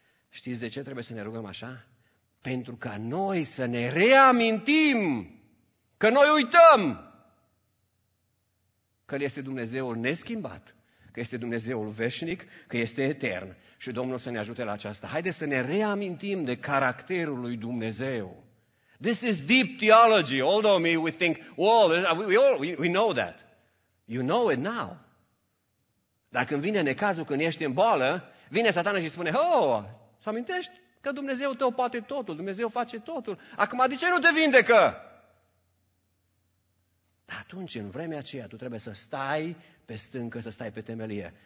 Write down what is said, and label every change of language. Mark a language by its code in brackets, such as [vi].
[ro] Știți de ce trebuie să ne rugăm așa? Pentru ca noi să ne reamintim că noi uităm că este Dumnezeul neschimbat. Că este Dumnezeul veșnic, că este etern. Și Domnul să ne ajute la aceasta. Haideți să ne reamintim de caracterul lui Dumnezeu. [en] This is deep theology, although we think, well, we know that. You know it now. [ro] Dar când vine necazul, când ești în boală, vine satana și spune, oh, s-amintești că Dumnezeu tău poate totul, Dumnezeu face totul. Acum, de ce nu te vindecă? Atunci, în vremea aceea, tu trebuie să stai pe stâncă, să stai pe temelie.